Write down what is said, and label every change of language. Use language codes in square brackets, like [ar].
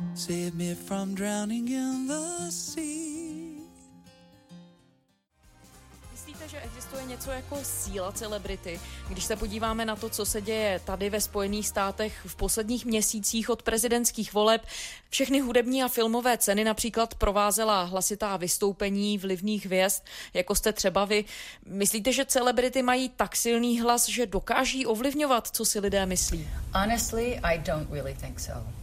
[en] Save me from drowning in the sea. [cs] Myslíte, že existuje něco jako síla celebrity? Když se podíváme na to, co se děje tady ve Spojených státech v posledních měsících od prezidentských voleb, všechny hudební a filmové ceny například provázela hlasitá vystoupení vlivných hvězd, jako jste třeba vy. Myslíte, že celebrity mají tak silný hlas, že dokáží ovlivňovat, co si lidé myslí? [en] Honestly, I don't really think so.